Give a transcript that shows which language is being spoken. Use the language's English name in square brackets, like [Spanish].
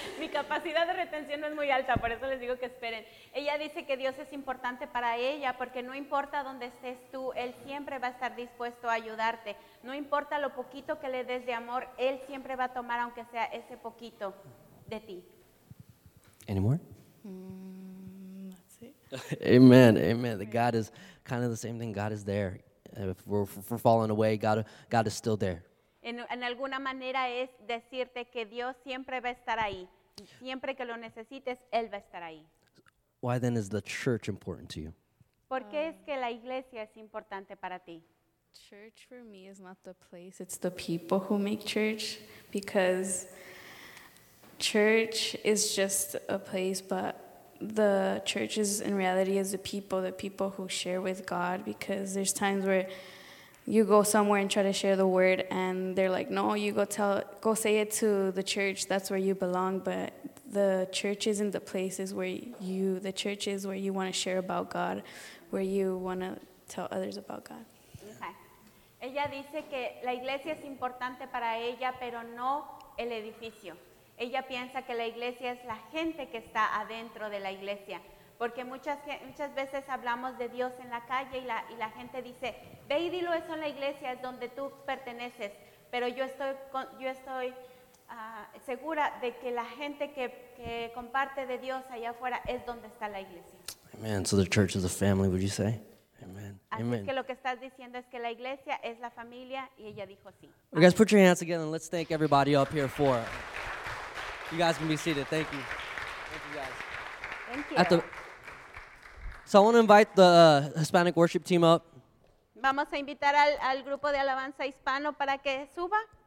[Spanish] Mi capacidad de retención no es muy alta, por eso les digo que esperen. Ella dice que Dios es importante para ella, porque no importa dónde estés tú, Él siempre va a estar dispuesto a ayudarte. No importa lo poquito que le des de amor, Él siempre va a tomar, aunque sea ese poquito de ti. [English] ¿Any more? That's it. Amen, amen. The God is kind of the same thing. God is there. If we're falling away, God is still there. [Spanish] En alguna manera es decirte que Dios siempre va a estar ahí. Siempre que lo necesites, Él va a estar ahí. [English] Why then is the church important to you? [Spanish] ¿Por qué es que la iglesia es importante para ti? [English] Church for me is not the place, it's the people who make church. Because church is just a place, but the church is in reality is the people who share with God. Because there's times where you go somewhere and try to share the word, and they're like, no, you go say it to the church, that's where you belong, but the church isn't the places where you, the church is where you want to share about God, where you want to tell others about God. Okay. [Spanish] Ella dice que la iglesia es importante para ella, pero no el edificio. Ella piensa que la iglesia es la gente que está adentro de la iglesia. Porque muchas veces hablamos de Dios en la calle y la gente dice, ve y dilo eso en la iglesia, es donde tú perteneces. Pero yo estoy segura de que la gente que comparte de Dios allá afuera es donde está la iglesia. [English] Amen. So the church is a family, would you say? Amen. [Spanish] Así [English] Amen. [Spanish] Es que lo que estás diciendo es que la iglesia es la familia y ella dijo sí. [English] Well, guys, put your hands together and let's thank everybody up here for it. You guys can be seated. Thank you. Thank you, guys. Thank you. So I want to invite the Hispanic worship team up. [Spanish] Vamos a invitar al grupo de alabanza hispano para que suba.